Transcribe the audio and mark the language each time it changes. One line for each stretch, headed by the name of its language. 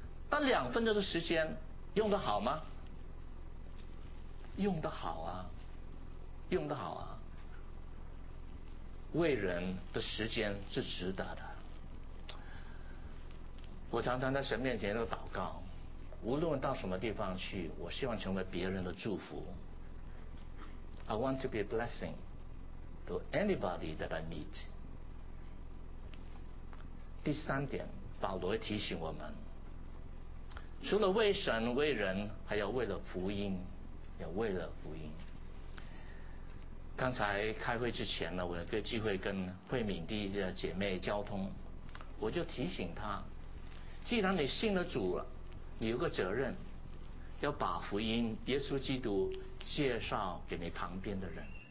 Chinese: 那两分钟的时间用得好吗？用得好啊，用得好啊，为人的时间是值得的。我常常在神面前都祷告，无论到什么地方去，我希望成为别人的祝福。
English: I want to be a blessing to anybody that I meet。
Chinese: 第三点，保罗提醒我们，除了为神为人，还要为了福音，也为了福音。刚才开会之前呢，我有个机会跟慧敏弟的姐妹交通，我就提醒她，既然你信了主了，你有个责任要把福音耶稣基督介绍给你旁边的人。